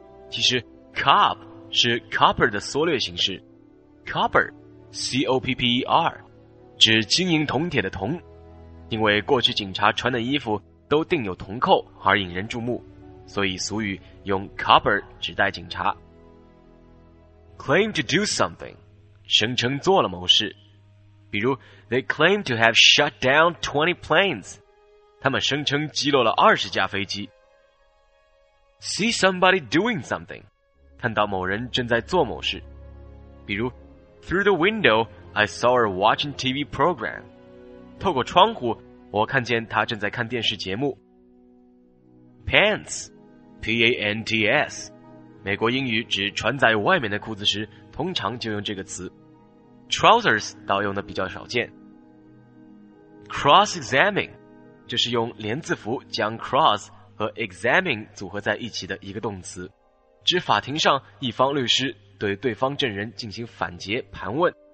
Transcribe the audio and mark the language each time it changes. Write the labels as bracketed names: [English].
[Chinese] 其实 Cop 是 copper 的缩略形式。 Copper, C-O-P-P-E-R, 指金银铜铁的铜。因为过去警察穿的衣服都定有铜扣而引人注目，所以俗语用 copper 指代警察。 [English] Claim to do something, [Chinese] 声称做了某事。比如 [English] They claim to have shut down 20 planes, [Chinese] 他们声称击落了20架飞机。 [English] See somebody doing something, [Chinese] 看到某人正在做某事。比如 [English] Through the window, I saw her watching TV program. [Chinese] 透过窗户，我看见他正在看电视节目。 Pants, P-A-N-T-S, 美国英语指穿在外面的裤子时，通常就用这个词。 Trousers 倒用的比较少见。Cross-examine, 这是用连字符将 cross 和 examine 组合在一起的一个动词，指法庭上一方律师对对方证人进行反诘盘问。